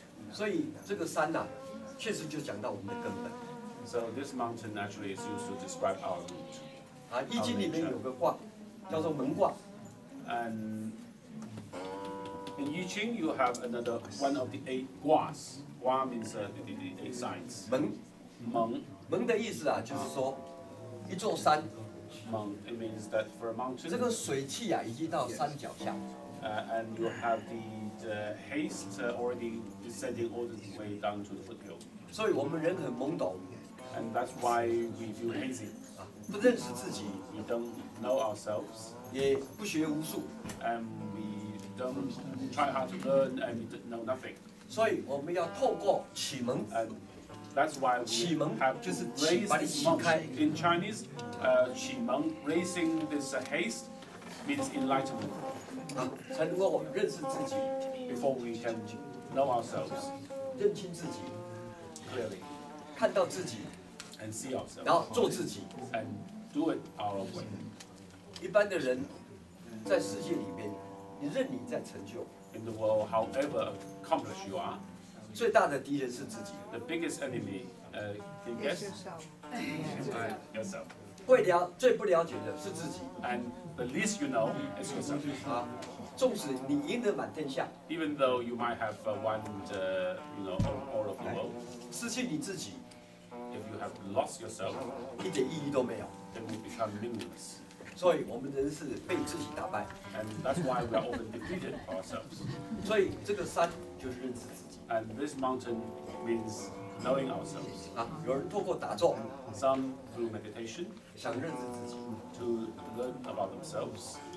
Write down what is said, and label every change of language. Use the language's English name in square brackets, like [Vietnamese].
[Chinese] 所以这个山啊，确实就讲到我们的根本。 [English] So this mountain actually is used to describe our root. [Chinese] 啊，易经里面有个卦，叫做门卦。 [English] And in Yi Qing, you have another one of the eight guas. Gua means the eight signs. [Chinese] 门的意思啊，就是说一座山。 [English] 门 it means that for a mountain. [Chinese] 这个水汽啊，已经到山脚下。 [English] And you have the haste already descending all the way down to the foothill. [Chinese] 所以我们人很懵懂。 [English] And that's why we do hazy. [Chinese] 不认识自己。 [English] We don't know ourselves. [Chinese] 也不学无术。 [English] And we don't try hard to learn and we know nothing. [Chinese] 所以我们要透过启蒙。 [English] That's why we [Chinese] 启蒙 [English] have [Chinese] 就是启把你启开。 [English] In Chinese, 启蒙 raising this haste means enlightenment. [Chinese] 才能够我们认识自己。 [English] Before we can know ourselves, [Chinese] 认清自己 [English] clearly, [Chinese] 看到自己 [English] and see ourselves, [Chinese] 然后做自己 [English] and do it our way. [Chinese] 一般的人在世界里面，你任你在成就。 [English] In the world, however accomplished you are. [Chinese] 最大的敌人是自己。 [English] The biggest enemy, is yourself. [Chinese] 最不了解的是自己。 [English] And the least you know is yourself. [Chinese] 纵使你赢得满天下。 [English] Even though you might have won the, you know, all of the world. [Chinese] 失去你自己。 [English] If you have lost yourself. [Chinese] 一点意义都没有。 [English] Then you become meaningless. [Chinese] 所以我们人是被自己打败。 [English] And that's why we are often defeated by ourselves. [Chinese] 所以这个山就是认自己。 [English] And this mountain means knowing ourselves. [Chinese] 有人透过打坐 [English] some through meditation, [Chinese] 想认识自己 [English] to learn about themselves.